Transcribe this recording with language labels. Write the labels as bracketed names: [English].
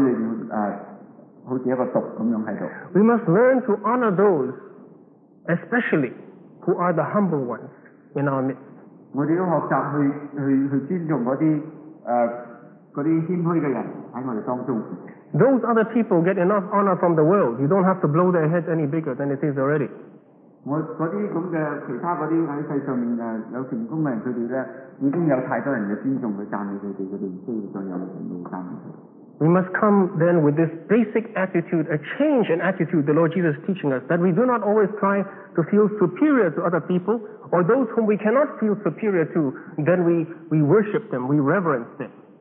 [English] We must learn to honor those, especially who are the humble ones in our midst. [Chinese] 我们要学习去尊重那些谦虚的人在我们当中。 [English] Those other people get enough honor from the world. You don't have to blow their heads any bigger than it is already. [Chinese] 我那些在世上有成功的人，他们已经有太多人的尊重，他们不需要再有那么多赞美。 [English] We must come then with this basic attitude, a change in attitude the Lord Jesus is teaching us, that we do not always try to feel superior to other people, or those whom we cannot feel superior to, then we worship them, we reverence them.